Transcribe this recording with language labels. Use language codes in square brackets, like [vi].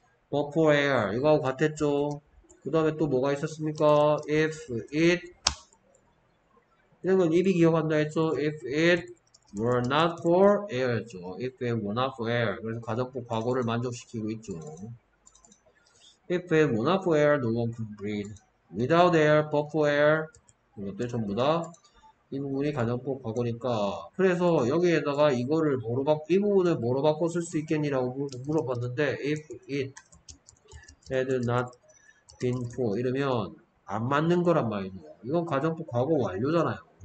[ko] before air 이거하고 같았죠. 그 다음에 또 뭐가 있었습니까? if it 이런 건 입이 기억한다 했죠. [en] If it were not for air였죠. If it were not for air. [ko] 그래서 가정법 과거를 만족시키고 있죠. [en] If it were not for air, no one could breathe. Without air, but for air. [ko] 이것들 전부 다이 부분이 가정법 과거니까. 그래서 여기에다가 이거를 뭐로 바꾸, 이 부분을 뭐로 바꿔 쓸수 있겠니라고 물어봤는데, [en] if it had not been for [ko] 이러면 안 맞는 거란 말이죠. 이건 가정법 과거 완료잖아요.